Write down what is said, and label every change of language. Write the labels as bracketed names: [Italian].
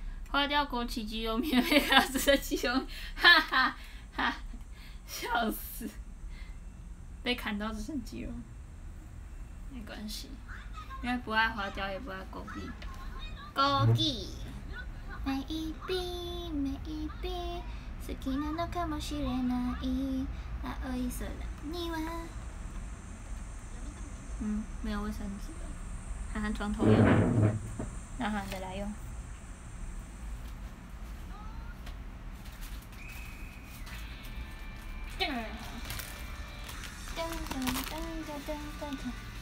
[Chinese] 花雕枸杞鸡肉面，黑卡斯的鸡肉，哈哈哈，笑死！被砍到只剩鸡肉，没关系，因为不爱花雕，也不爱枸杞。 [Japanese] 枸杞， [English] maybe maybe， [Japanese] 好きなのかもしれない。青い空には。 [Chinese] 嗯，没有卫生纸了，涵涵床头有，那涵涵再来用。噔噔噔噔噔噔噔噔。